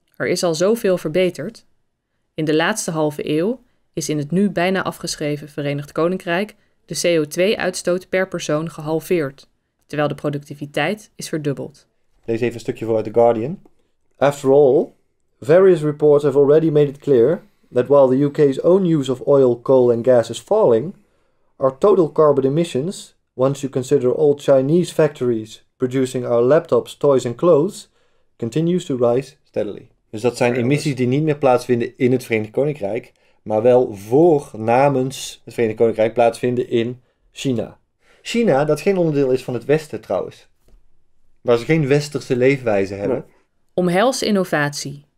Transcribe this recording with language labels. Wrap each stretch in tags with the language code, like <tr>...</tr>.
<nl>Er is al zoveel verbeterd. In de laatste halve eeuw is in het nu bijna afgeschreven Verenigd Koninkrijk de CO2-uitstoot per persoon gehalveerd, terwijl de productiviteit is verdubbeld. Lees even een stukje voor uit The Guardian.</nl> <en>After all, Various reports have already made it clear that while the UK's own use of oil, coal and gas is falling, our total carbon emissions, once you consider all Chinese factories producing our laptops, toys and clothes, continues to rise steadily.</en> <nl>Dus dat zijn emissies die niet meer plaatsvinden in het Verenigd Koninkrijk, maar wel voor namens het Verenigd Koninkrijk plaatsvinden in China. China, dat geen onderdeel is van het Westen trouwens. Waar ze geen westerse leefwijze hebben. Nee. Omhels innovatie.</nl>